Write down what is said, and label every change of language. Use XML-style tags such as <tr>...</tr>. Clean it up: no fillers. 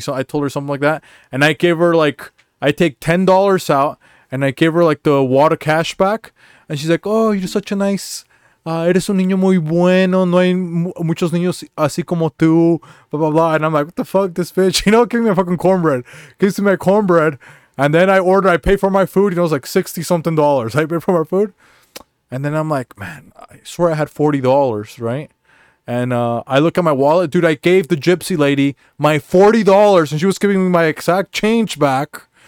<en>So I told her something like that. And I gave her like, I take $10 out and I gave her like the wad of cash back. And she's like, you're such a nice...</en> <es>eres un niño muy bueno, no hay muchos niños así como tú,</es> <en>blah, blah, blah. And I'm like, what the fuck, this bitch, you know, give me a fucking cornbread. Gives me my cornbread, and then I pay for my food, you know, it was like $60-something. I pay for my food, and then I'm like, man, I swear I had $40, right? And I look at my wallet, dude, I gave the gypsy lady my $40, and she was giving me my exact change back.</en>